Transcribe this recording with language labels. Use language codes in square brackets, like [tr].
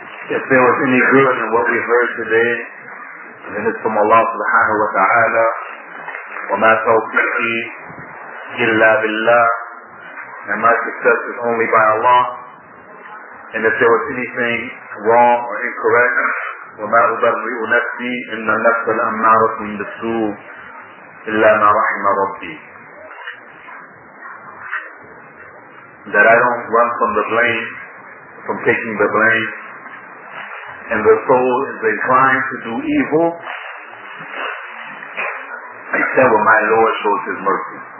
[en] If there was any good in what we heard today, then it's from Allah subhanahu wa ta'ala. [ar] وَمَا تَوْفِيقِي إِلَّا بِاللَّهِ. [en] And my success is only by Allah. And if there was anything wrong or incorrect, [ar] وَمَا أُبَرِّئُ نَفْسِي إِنَّ النَّفْسَ لَأَمَّارَةٌ بِالسُّوءِ إِلَّا مَا رَحِمَ رَبِّي. [en] That I don't run from the blame, from taking the blame. And the soul is inclined to do evil, except when my Lord shows His mercy.